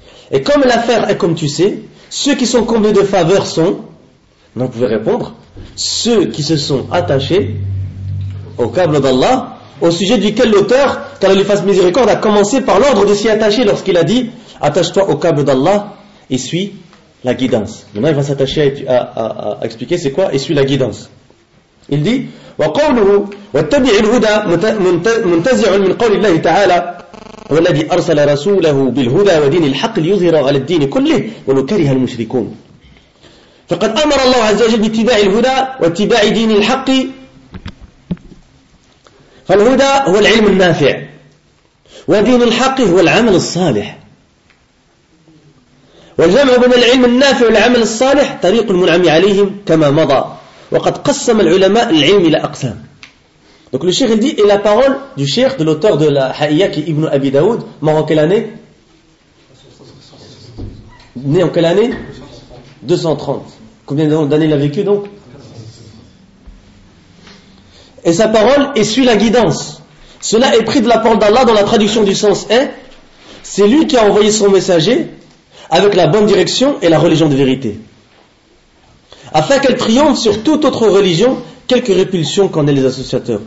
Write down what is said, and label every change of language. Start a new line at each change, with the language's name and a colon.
French: Et comme l'affaire est comme tu sais, ceux qui sont comblés de faveur sont, non, vous pouvez répondre, ceux qui se sont attachés au câble d'Allah, au sujet duquel l'auteur, qu'Allah lui fasse miséricorde, a commencé par l'ordre de s'y attacher lorsqu'il a dit attache-toi au câble d'Allah et suis la guidance. Maintenant, il va s'attacher à expliquer c'est quoi et suis la guidance. Il dit
Arabic: وقوله واتبع الهدى منتزع من قول الله تعالى والذي أرسل رسوله بالهدى ودين الحق ليظهره على الدين كله ولو كره المشركون فقد أمر الله عز وجل باتباع الهدى واتباع دين الحق فالهدى هو العلم النافع ودين الحق هو العمل الصالح والجمع بين العلم النافع والعمل الصالح طريق المنعم عليهم كما مضى وقد قسم العلماء العلم إلى أقسام.
French: Donc le cheikh dit, et la parole du cheikh, de l'auteur de la Haïya qui est Ibn Abi Daoud, mort en quelle année? Né en quelle année? 230. Combien d'années il a vécu donc? Et sa parole essuie la guidance. Cela est pris de la parole d'Allah dans la traduction du sens est, c'est lui qui a envoyé son messager avec la bonne direction et la religion de vérité, afin qu'elle triomphe sur toute autre religion, quelques répulsions qu'en aient les associateurs.